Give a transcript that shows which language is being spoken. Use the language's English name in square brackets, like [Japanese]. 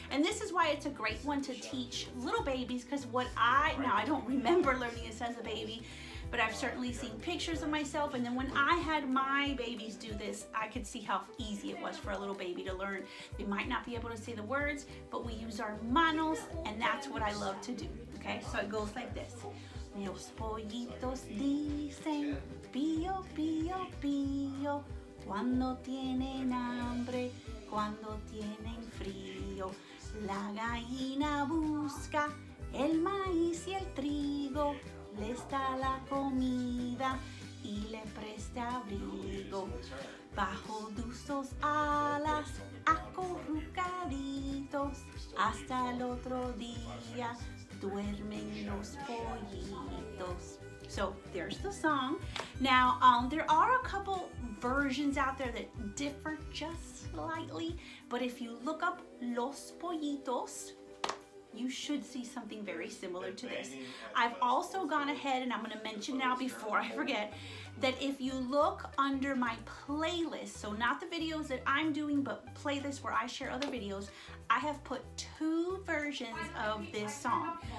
[English] And this is why it's a great one to teach little babies, because what I, now I don't remember learning this as a baby, but I've certainly seen pictures of myself, and then when I had my babies do this, I could see how easy it was for a little baby to learn. They might not be able to say the words, but we use our manos, and that's what I love to do, okay? So it goes like this. [Spanish] Los pollitos dicen pío, pío, pío, cuando tienen hambre, cuando tienen frío. La gallina busca el maíz y el trigo, le está la comida y le presta abrigo. Bajo de sus alas, acurrucaditos, hasta el otro día, duermen los pollitos. [English] So there's the song. Now, there are a couple versions out there that differ just slightly, but if you look up Los Pollitos, you should see something very similar to this. I've also gone ahead, and I'm gonna mention now before I forget, that if you look under my playlist, so not the videos that I'm doing, but playlists where I share other videos, I have put 2 versions of this song.